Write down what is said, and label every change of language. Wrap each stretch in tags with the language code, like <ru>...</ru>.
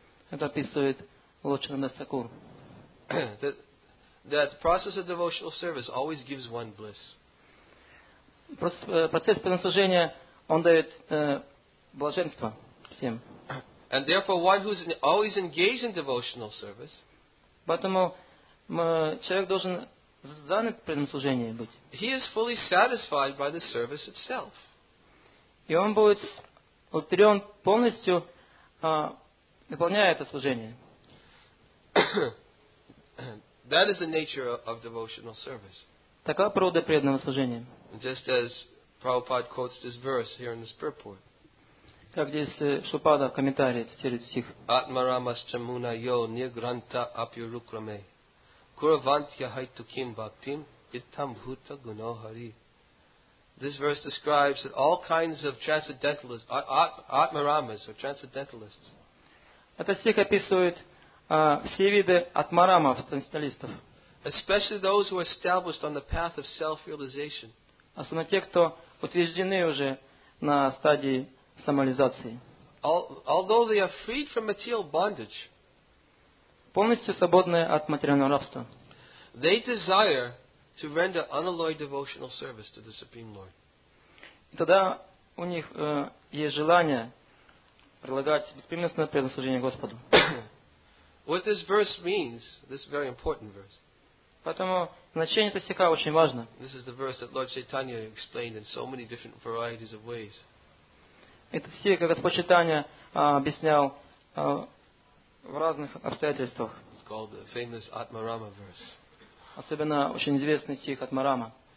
<ru>Это описывает Лочандас Такур.</ru> <en>That the process of devotional service always gives one bliss.</en> <ru>Процесс служения, он дает блаженство всем.</ru> <en>And therefore, one who is always engaged in devotional service,</en> <ru>поэтому человек должен занят при служении быть.</ru> <en>He is fully satisfied by the service itself.</en> <ru>И он будет утрен полностью, выполняя это служение.</ru> <en>That is the nature of devotional service.</en> <ru>Такова природа преданного служения.</ru> <en>Just as Prabhupada quotes this verse here in this purport.</en> <ru>Как здесь Шупада в комментарии цитирует стих.</ru> <sa>Атмарамасчамуна йо нигранта апьюрукраме. Куравантья хайтуким бхактим иттам бхута гуно хари.</sa> <en>This verse describes that all kinds of transcendentalists, атмарамас, or transcendentalists.</en> <ru>Этот стих описывает все виды атмарамов, трансценденталистов.</ru> <en>Especially those who are established on the path of self-realization.</en> <ru>Особенно те, кто утверждены уже на стадии самореализации.</ru> <en>Although they are freed from material bondage,</en> <ru>полностью свободны от материального рабства,</ru> <en>they desire to render unalloyed devotional service to the Supreme Lord.</en> <ru>И тогда у них есть желание предлагать беспримесное предослужение Господу.</ru> <en>What this verse means, this very important verse.</en> <ru>Поэтому значение этого стиха очень важно.</ru> <en>This is the verse that Lord Chaitanya explained in so many different varieties of ways.</en> <ru>Этот стих, как Господь Чайтанья объяснял в разных обстоятельствах.</ru> <en>It's called the famous Atmarama verse.</en> <ru>Особенно очень известный стих Атмарама.</ru>